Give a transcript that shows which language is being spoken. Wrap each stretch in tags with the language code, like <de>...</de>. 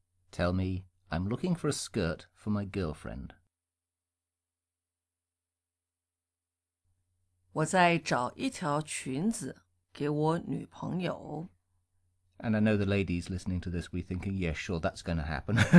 <en>Tell me, I'm looking for a skirt for my girlfriend.</en> <zh>我在找一条裙子给我女朋友.</zh> <en>And I know the ladies listening to this will be thinking, yes, yeah, sure, that's going to happen.</en>